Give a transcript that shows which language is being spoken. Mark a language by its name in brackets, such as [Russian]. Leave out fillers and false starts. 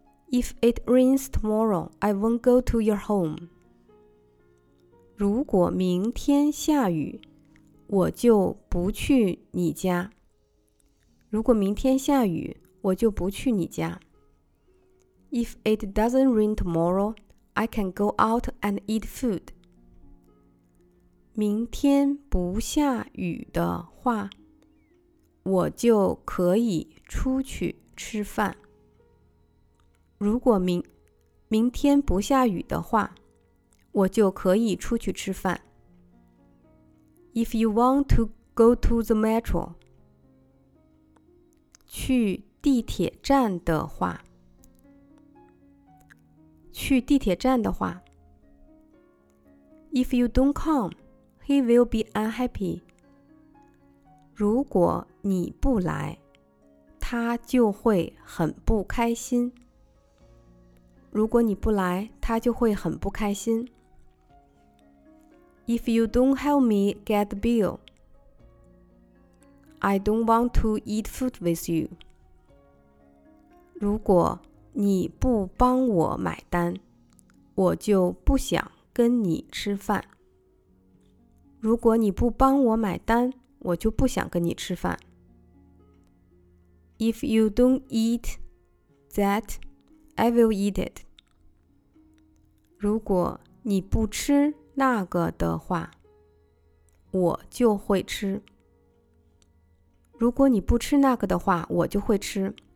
[English] If it rains tomorrow, I won't go to your home. [Chinese] 如果明天下雨，我就不去你家。如果明天下雨，我就不去你家。 [English] If it doesn't rain tomorrow, I can go out and eat food. [Chinese] 明天不下雨的话，我就可以出去吃饭。如果明天不下雨的话，我就可以出去吃饭。 [English] If you want to go to the metro, [Chinese] 去地铁站的话，去地铁站的话。 [English] If you don't come, he will be unhappy. [Chinese] 如果你不来，他就会很不开心。如果你不来，他就会很不开心。 [English] If you don't help me get the bill, I don't want to eat food with you. [Chinese] 如果你不帮我买单，我就不想跟你吃饭。如果你不帮我买单，我就不想跟你吃饭。 [English] If you don't eat that, I will eat it. [Chinese] 如果你不吃那个的话，我就会吃。如果你不吃那个的话，我就会吃。